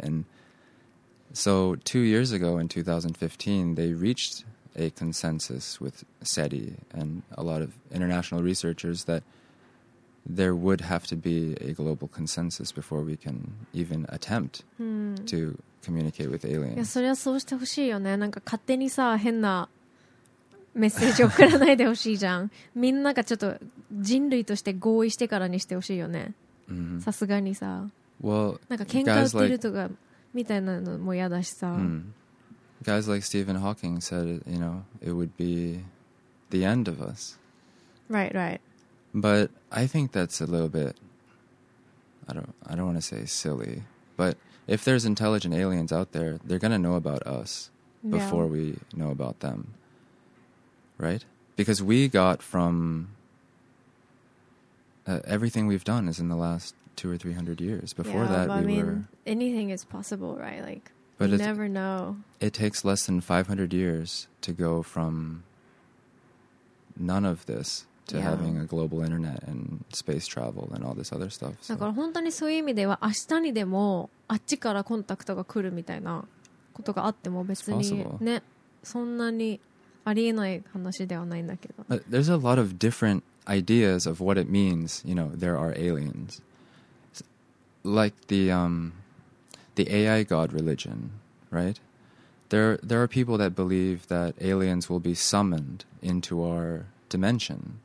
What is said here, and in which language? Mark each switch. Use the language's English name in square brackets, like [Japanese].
[English] And so 2 years ago in 2015, they reached a consensus with SETI and a lot of international researchers that there would have to be a global consensus before we can even attempt to communicate with aliens. [Japanese] Yeah, それはそうしてほしいよね。なんか勝手にさ、変なメッセージ送らないでほしいじゃん。みんながちょっと人類として合意してからにしてほしいよね。さすがにさ。 [English] Well, [Japanese] なんか喧嘩売ってるとかみたいなのも嫌だしさ。 [English] Guys like Stephen Hawking said, you know, it would be the end of us. Right, right. But I think that's a little bit, I don't want to say silly, but if there's intelligent aliens out there, they're going to know about us before we know about them. Right? Because we got from everything we've done is in the last 200 or 300 years. Before that, we were... Anything is possible, right? Like, you never know. It takes less than 500 years to go from none of this to having a global internet and space travel and all this other stuff. [Japanese] だから本当にそういう意味では明日にでもあっちからコンタクトが来るみたいなことがあっても別にね、そんなにありえない話ではないんだけど。 [English] But there's a lot of different ideas of what it means, you know, there are aliens. Like the AI god religion, right? There are people that believe that aliens will be summoned into our dimension.